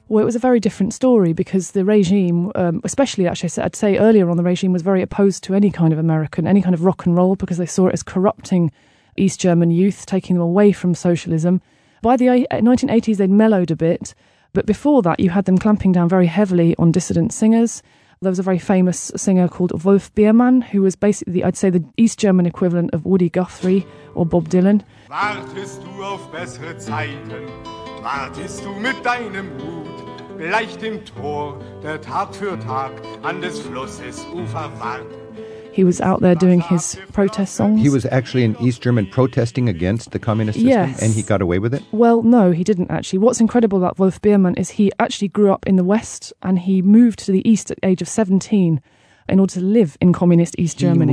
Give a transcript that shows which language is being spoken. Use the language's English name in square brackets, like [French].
[English] Well, it was a very different story because the regime, especially actually I'd say earlier on, the regime was very opposed to any kind of American, any kind of rock and roll, because they saw it as corrupting East German youth, taking them away from socialism. By the 1980s, they'd mellowed a bit. But before that, you had them clamping down very heavily on dissident singers. There was a very famous singer called Wolf Biermann, who was basically, I'd say, the East German equivalent of Woody Guthrie or Bob Dylan. [German] Wartest du auf bessere Zeiten? Wartest du mit deinem Hut? Gleich dem Tor, der Tag für Tag an des Flusses Ufer wart. [English] He was out there doing his protest songs. He was actually an East German protesting against the communist yes. system, and he got away with it? Well, no, he didn't actually. What's incredible about Wolf Biermann is he actually grew up in the West, and he moved to the East at the age of 17 in order to live in communist East Germany.